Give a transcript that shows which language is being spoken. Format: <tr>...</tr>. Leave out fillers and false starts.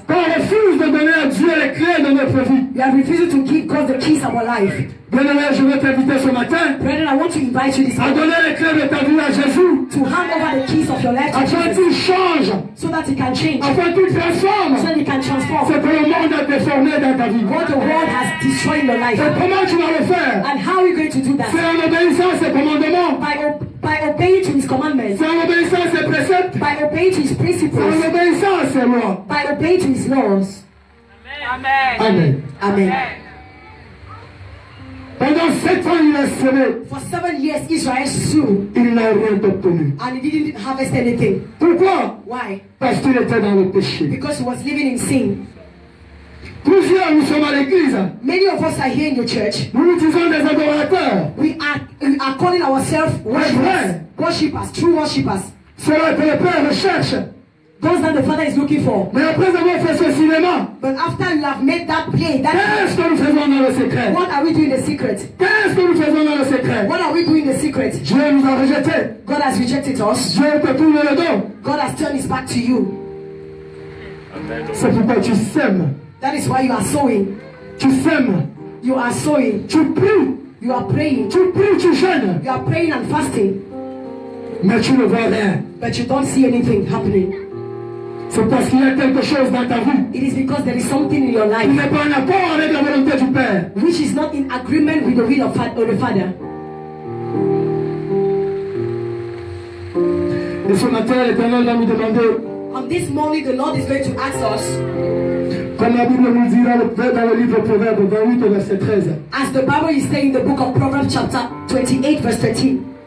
<fr>Qu'on refuse de donner à Dieu les clés de notre vie.</fr> <en>We are refusing to give God the keys of our life.</en> <fr>Bien aimé, je veux t'inviter ce matin.</fr> <en>Brethren, I want to invite you this morning.</en> <fr>À donner les clés de ta vie à Jésus.</fr> <en>To hand over the keys of your life to Jesus.</en> <fr>Afin qu'il change.</fr> <en>So that he can change.</en> <fr>Afin qu'il transforme.</fr> <en>So that he can transform.</en> <fr>C'est que le monde a déformé dans ta vie.</fr> <en>What the world has destroyed in your life.</en> <fr>Et comment tu vas le faire?</fr> <en>And how are you going to do that?</en> <fr>C'est en obéissant ses commandements.</fr> <en>By obeying to his commandments.</en> <fr>C'est en obéissant ses préceptes.</fr> <en>By obeying to his principles.</en> <fr>C'est en obéissant ses lois.</fr> <en>By obeying to his laws.</en> <fr>Amen.</fr> <en>Amen. Amen. Amen.</en> <fr>Pendant 7 ans, il a semé.</fr> <en>For 7 years, Israel sowed.</en> <fr>Il n'a rien obtenu.</fr> <en>And he didn't harvest anything.</en> <fr>Pourquoi?</fr> <en>Why?</en> <fr>Parce qu'il était dans le péché.</fr> <en>Because he was living in sin.</en> <fr>Plusieurs nous sommes à l'église.</fr> <en>Many of us are here in your church.</en> <fr>Nous utilisons des adorateurs.</fr> <en>We are calling ourselves worshippers. Worshippers, true worshippers.</en> <fr>C'est là que le Père recherche.</fr> <en>Those that the Father is looking for.</en> <fr>Mais après avoir fait ce cinéma.</fr> <en>But after you have made that play, that.</en> <fr>Qu'est-ce que nous faisons dans le secret?</fr> <en>What are we doing in the secret?</en> <fr>Qu'est-ce que nous faisons dans le secret?</fr> <en>What are we doing in the secret?</en> <fr>Dieu nous a rejeté.</fr> <en>God has rejected us.</en> <fr>Dieu te tourne le dos.</fr> <en>God has turned his back to you.</en> <fr>C'est pourquoi tu sèmes.</fr> <en>That is why you are sowing.</en> <fr>Tu sèmes.</fr> <en>You are sowing.</en> <fr>Tu pries.</fr> <en>You are praying.</en> <fr>Tu pries, tu jeûnes.</fr> <en>You are praying and fasting.</en> <fr>Mais tu ne vois rien.</fr> <en>But you don't see anything happening.</en> <fr>C'est parce qu'il y a quelque chose dans ta vie.</fr> <en>It is because there is something in your life.</en> <fr>Tu n'es pas en accord avec la volonté du Père.</fr> <en>Which is not in agreement with the will of the Father.</en> <fr>Et ce matin, l'Éternel va nous demander.</fr> <en>On this morning, the Lord is going to ask us.</en> <fr>Comme la Bible nous dira dans le livre Proverbe 28 verset 13.</fr> <en>As the Bible is saying in the book of Proverbs chapter 28 verse 13.</en>